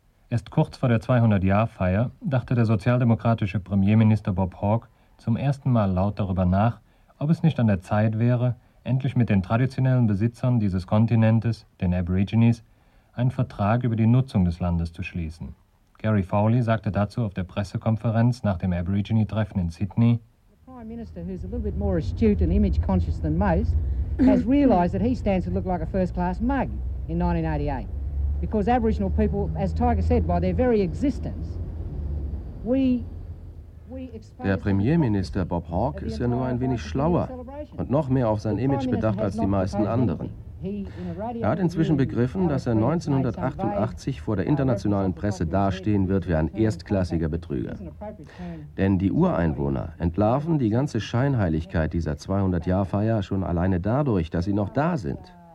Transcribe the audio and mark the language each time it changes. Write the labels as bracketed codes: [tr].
[de] Erst kurz vor der 200-Jahr-Feier dachte der sozialdemokratische Premierminister Bob Hawke zum ersten Mal laut darüber nach, ob es nicht an der Zeit wäre, endlich mit den traditionellen Besitzern dieses Kontinentes, den Aborigines, einen Vertrag über die Nutzung des Landes zu schließen. Gary Foley sagte dazu auf der Pressekonferenz nach dem Aborigine-Treffen in Sydney: [en] Prime Minister, who's a little bit more astute and image conscious than most, has realized that he stands to look like a first-class mug in 1988. Because Aboriginal people, as Tiger said, by their very existence, we [de] Der Premierminister Bob Hawke ist ja nur ein wenig schlauer und noch mehr auf sein Image bedacht als die meisten anderen. Er hat inzwischen begriffen, dass er 1988 vor der internationalen Presse dastehen wird wie ein erstklassiger Betrüger. Denn die Ureinwohner entlarven die ganze Scheinheiligkeit dieser 200-Jahr-Feier schon alleine dadurch, dass sie noch da sind.